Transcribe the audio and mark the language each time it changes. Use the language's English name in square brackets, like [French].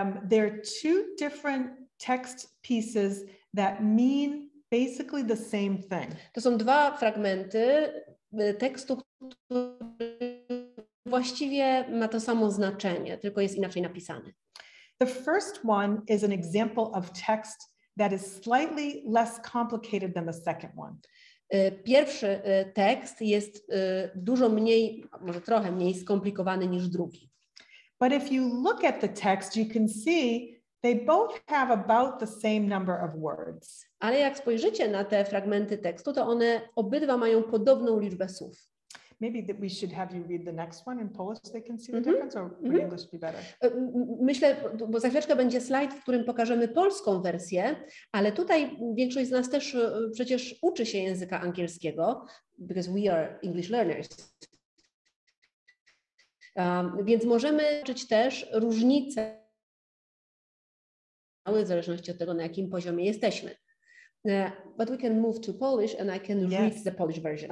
[English] There are two different text pieces that mean basically the same thing. [Polish] To są dwa fragmenty tekstu, który właściwie ma to samo znaczenie, tylko jest inaczej napisany. [English] The first one is an example of text that is slightly less complicated than the second one. [Polish] Pierwszy tekst jest dużo mniej, może trochę mniej skomplikowany niż drugi. [English] But if you look at the text, you can see they both have about the same number of words. [Polish] Ale jak spojrzycie na te fragmenty tekstu, to one obydwa mają podobną liczbę słów. [English] Maybe that we should have you read the next one in Polish so they can see the difference, or would English be better? [Polish] Myślę, bo za chwileczkę będzie slajd, w którym pokażemy polską wersję, ale tutaj większość z nas też przecież uczy się języka angielskiego, [English] because we are English learners. [Polish] Więc możemy zobaczyć też różnice w zależności od tego, na jakim poziomie jesteśmy. [English] But we can move to Polish and I can read the Polish version.